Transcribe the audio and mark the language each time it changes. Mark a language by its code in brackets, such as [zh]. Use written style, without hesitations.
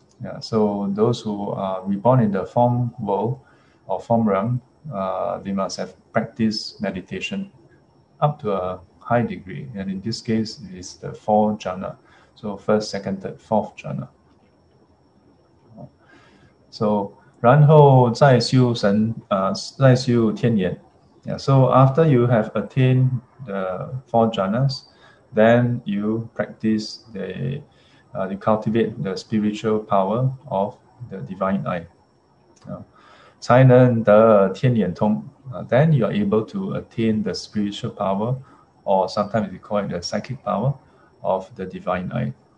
[en] Yeah, so those who are reborn in the form world or form realm, they must have practiced meditation up to a high degree. And in this case, it's the four jhana. So first, second, third, fourth jhana. [zh] So, 然后再修神, 再修天眼. [en] Yeah, so after you have attained the four jhanas, then you practice the, you cultivate the spiritual power of the divine eye. [zh] 才能得天眼通, [en] then you are able to attain the spiritual power, or sometimes we call it the psychic power of the divine eye.